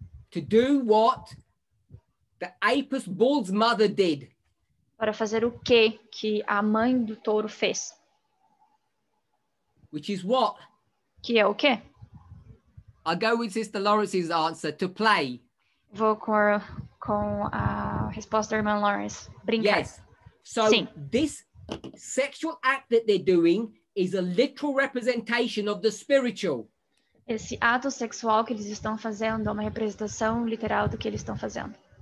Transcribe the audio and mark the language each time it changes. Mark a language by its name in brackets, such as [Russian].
[English] To do what the Apis bull's mother did. [Portuguese] Para fazer o quê que a mãe do touro fez? [English] Which is what? [Portuguese] Que é o quê? [English] I'll go with Sister Lawrence's answer, to play. [Portuguese] Vou com a resposta da irmã Lawrence, brincar. [English] Yes. So [Portuguese] sim. [English] This sexual act that they're doing is a literal representation of the spiritual. [Portuguese] Esse ato sexual que eles estão fazendo é uma representação literal do que eles estão fazendo.